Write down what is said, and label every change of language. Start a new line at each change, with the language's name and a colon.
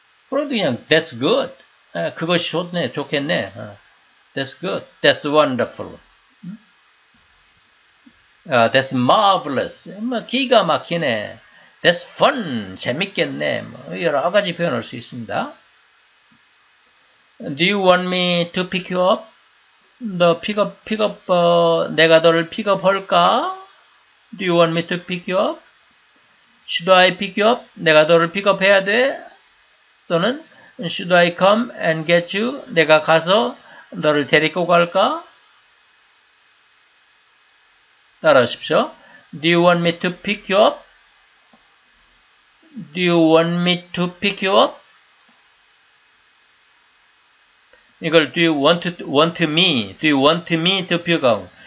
Korean: 그래도 그냥
English: that's good.
Korean: 그것이 좋네, 좋겠네.
English: That's good. That's wonderful. That's marvelous.
Korean: 뭐 기가 막히네.
English: That's fun.
Korean: 재밌겠네. 여러 가지 표현할 수 있습니다.
English: Do you want me to pick you up?
Korean: 너 내가 너를 픽업 할까?
English: Do you want me to pick you up? Should I pick you up?
Korean: 내가 너를 픽업 해야 돼? 또는
English: Should I come and get you?
Korean: 내가 가서 너를 데리고 갈까? 따라하십시오.
English: Do you want me to pick you up? Do you want me to pick you up?
Korean: 이걸
English: do you want me to pick you up?